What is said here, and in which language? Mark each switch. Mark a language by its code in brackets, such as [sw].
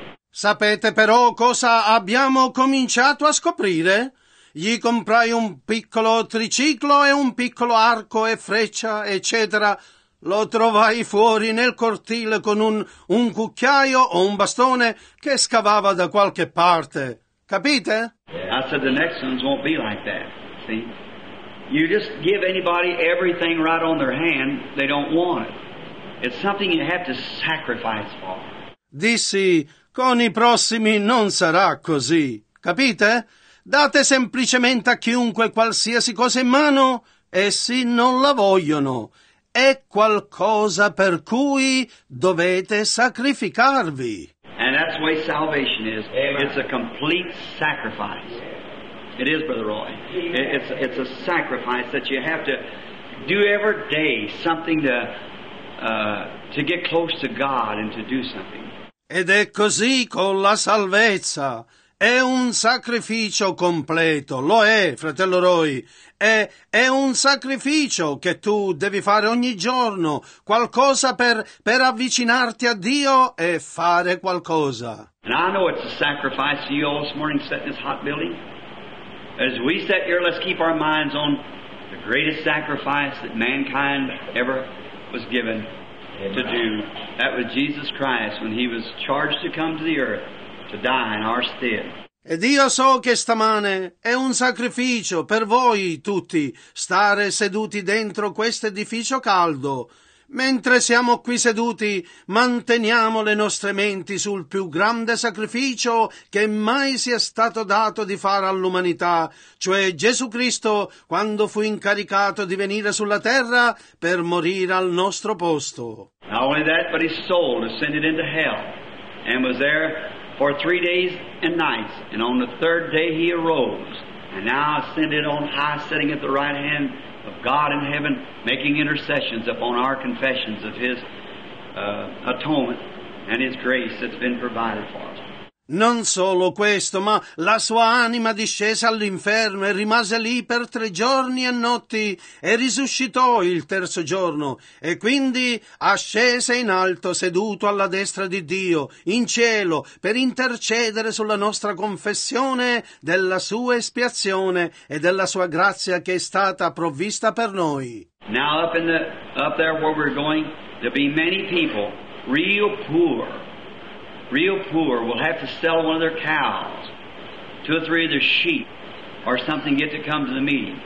[it] Sapete però cosa abbiamo cominciato a scoprire? Gli comprai un piccolo triciclo e un piccolo arco e freccia, eccetera. Lo trovai fuori nel cortile con un cucchiaio o un bastone che scavava da qualche parte. Capite? [en] I said the next ones won't be like that. See? You just give anybody everything right on their hand, they don't want it. It's something you have to sacrifice for. [it] Dissi, con i prossimi non sarà così. Capite? Date semplicemente a chiunque qualsiasi cosa in mano, essi non la vogliono. È qualcosa per cui dovete sacrificarvi. [en] And that's the way salvation is. Amen. It's a complete sacrifice. It is, Brother Roy. It's a sacrifice that you have to do every day, something to get close to God and to do something. [it] Ed è così con la salvezza. È un sacrificio completo. Lo è, fratello Roy. È un sacrificio che tu devi fare ogni giorno, qualcosa per avvicinarti a Dio e fare qualcosa. [en] And I know it's a sacrifice to you all this morning sitting in this hot building. As we sit here, let's keep our minds on the greatest sacrifice that mankind ever was given to do. That was Jesus Christ when he was charged to come to the earth to die in our stead. [it] Ed io so che stamane è un sacrificio per voi tutti stare seduti dentro questo edificio caldo. Mentre siamo qui seduti, manteniamo le nostre menti sul più grande sacrificio che mai sia stato dato di fare all'umanità, cioè Gesù Cristo quando fu incaricato di venire sulla terra per morire al nostro posto. [en] Not only that, but his soul descended into hell and was there for 3 days and nights, and on the third day he arose, and now ascended on high, sitting at the right hand of God in heaven, making intercessions upon our confessions of his atonement and his grace that's been provided for us. [it] Non solo questo, ma la sua anima discese all'inferno e rimase lì per 3 giorni e notti e risuscitò il 3° giorno e quindi ascese in alto seduto alla destra di Dio in cielo per intercedere sulla nostra confessione della sua espiazione e della sua grazia che è stata provvista per noi. [en] Now up there where we're going, there'll be many people, real poor will have to sell one of their cows, 2 or 3 of their sheep, or something, get to come to the meeting.